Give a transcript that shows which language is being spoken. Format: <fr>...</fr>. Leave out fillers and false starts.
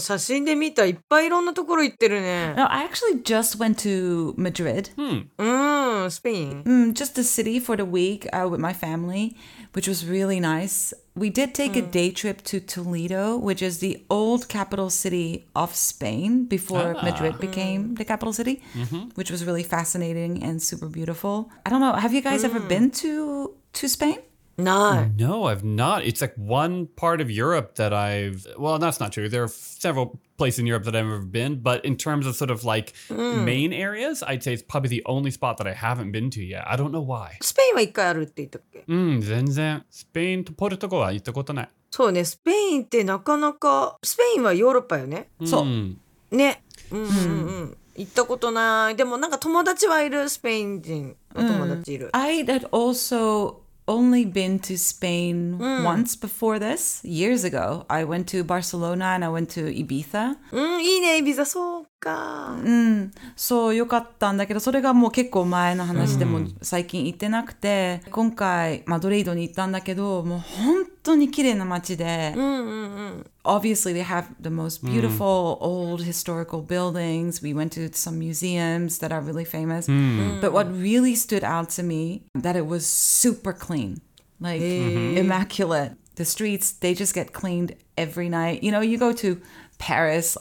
<ja>写真で見た。いっぱいいろんなところ行ってるね。</ja> <en>No, I actually just went to Madrid. Spain. Just the city for the week with my family, which was really nice. We did take a day trip to Toledo, which is the old capital city of Spain before Madrid became the capital city, which was really fascinating and super beautiful. I don't know. Have you guys ever been to Spain? No. No, I've not. It's like one part of Europe that I've... Well, that's not true. There are several places in Europe that I've ever been. But in terms of sort of like main areas, I'd say it's probably the only spot that I haven't been to yet. I don't know why.</en> <ja>Spain は一回あるって言ったっけ? うん、全然。スペインとポルトガルは行ったことない。そうね、スペインってなかなか...スペインはヨーロッパよね。そう。ね。うんうんうん。行ったことない。でもなんか友達はいる。スペイン人の友達いる。</ja> <en>I had also... Only been to Spain once before this, years ago. I went to Barcelona and I went to Ibiza.</en> <ja>いいね、Ibiza、そうか。そう、よかったんだけど、それがもう結構前の話でも最近行ってなくて、今回マドリードに行ったんだけど、もう本当に綺麗な街で。</ja> <en>Obviously, they have the most beautiful old historical buildings. We went to some museums that are really famous. But what really stood out to me, that it was super clean, like immaculate. The streets, they just get cleaned every night. You know, you go to Paris.</en>